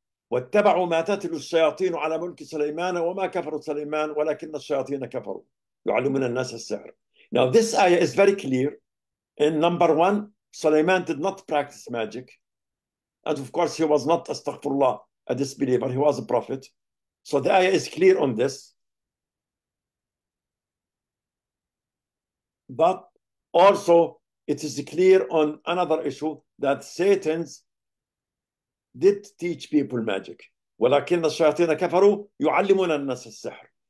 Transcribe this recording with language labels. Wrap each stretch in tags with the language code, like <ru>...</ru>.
<ar>واتبعوا ما تتلو الشياطين على ملك سليمان وما كفروا سليمان ولكن الشياطين كفروا يعلمون الناس السحر.</ar> <en>Now this ayah is very clear. In number one, Sulaiman did not practice magic. And of course he was not, astaghfirullah, a disbeliever. He was a prophet. So the ayah is clear on this. But also it is clear on another issue that Satan's did teach people magic.</en> <ar>ولكن الشياطين كفروا يعلمون الناس السحر.</ar>